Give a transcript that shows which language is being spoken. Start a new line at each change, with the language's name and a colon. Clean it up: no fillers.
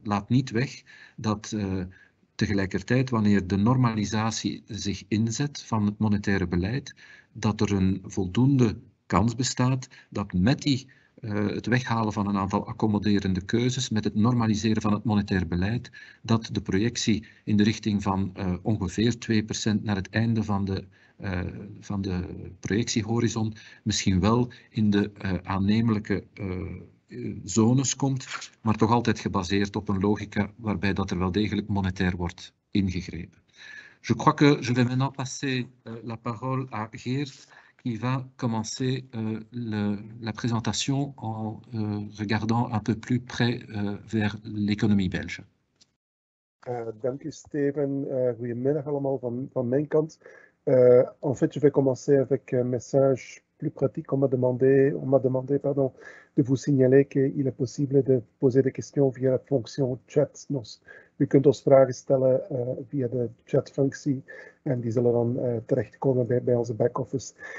Dutch: Laat niet weg dat tegelijkertijd, wanneer de normalisatie zich inzet van het monetaire beleid, dat er een voldoende kans bestaat dat met het weghalen van een aantal accommoderende keuzes, met het normaliseren van het monetair beleid, dat de projectie in de richting van ongeveer 2% naar het einde van de projectiehorizon misschien wel in de aannemelijke zones komt, maar toch altijd gebaseerd op een logica waarbij dat er wel degelijk monetair wordt ingegrepen.
French: Je crois que je vais maintenant passer la parole à Geert, qui va commencer la présentation en regardant un peu plus près vers l'économie belge.
Dutch: Dank u, Steven. Goedemiddag allemaal van mijn kant.
French: En fait, je vais commencer avec un message plus pratique. On m'a demandé, de vous signaler qu'il est possible de poser des questions via la fonction chat.
Dutch: U kunt ons vragen stellen via de chatfunctie en die zullen dan terechtkomen bij onze back-office.